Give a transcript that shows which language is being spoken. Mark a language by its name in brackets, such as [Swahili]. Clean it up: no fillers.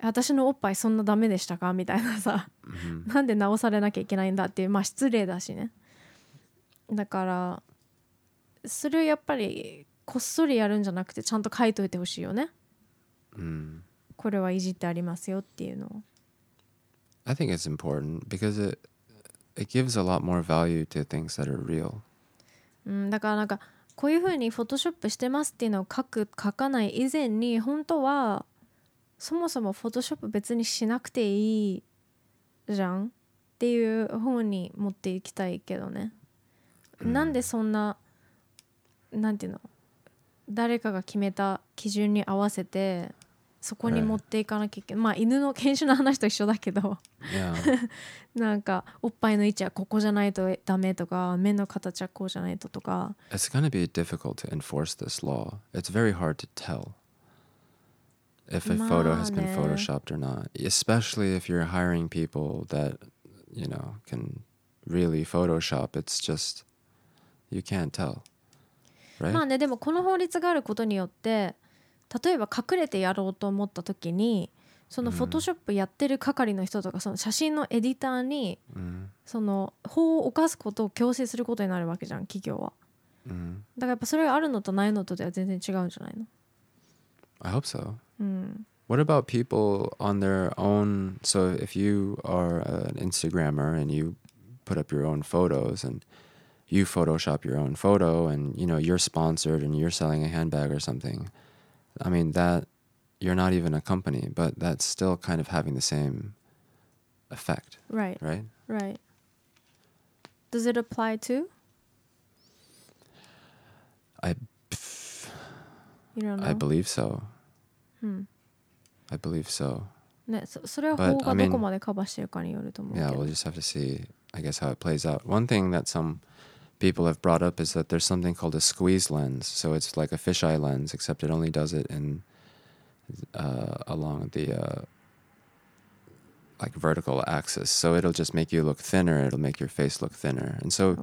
[Japanese] 私のおっぱいそんなダメでしたかみたいなさなんで直されなきゃいけないんだっていう、まあ失礼だしね。だからそれをやっぱりこっそりやるんじゃなくてちゃんと書いといてほしいよね、うん、これはいじってありますよっていうのを。 [English] I think it's important because it gives a lot more value to things that are real、 [Japanese] うん、だからなんかこういうふうにフォトショップしてますっていうのを書く書かない以前に、本当はそもそもフォトショップ別にしなくていいじゃんっていう方に持っていきたいけどね、うん、なんでそんななんていうの、誰かが決めた基準に合わせてそこに持っていかなきゃいけない、まあ犬の犬種の話と一緒だけど、 [English] yeah. [Japanese] なんかおっぱいの位置はここじゃないとダメとか、目の形はこうじゃないととか。 [English] It's gonna be difficult to enforce this law. It's very hard to tell if a photo has been photoshopped or not, especially if you're hiring people that you know can really photoshop. It's just you can't tell. Right? [Japanese] まあね、でもこの法律があることによって、例えば隠れてやろうと思った時にそのフォトショップやってる係の人とか、その写真のエディターにその法を犯すことを強制することになるわけじゃん、企業は。だからやっぱそれがあるのとないのとでは全然違うんじゃないの。 [English] I hope so、 [Japanese] うん、 [English] What about people on their own? So if you are an Instagrammer and you put up your own photos andyou photoshop your own photo and you know you're sponsored and you're selling a handbag or something, I mean that you're not even a company, but that's still kind of having the same effect. Right. Right? Right. Does it apply to? You don't know? I believe so. Hmm. I believe so. [Japanese] ね、それは法がどこまでカバーしてるかによると思うけど。 [English] Yeah, we'll just have to see, I guess, how it plays out. One thing that somepeople have brought up is that there's something called a squeeze lens. So it's like a fisheye lens, except it only does it in along the like vertical axis. So it'll just make you look thinner. It'll make your face look thinner. And so、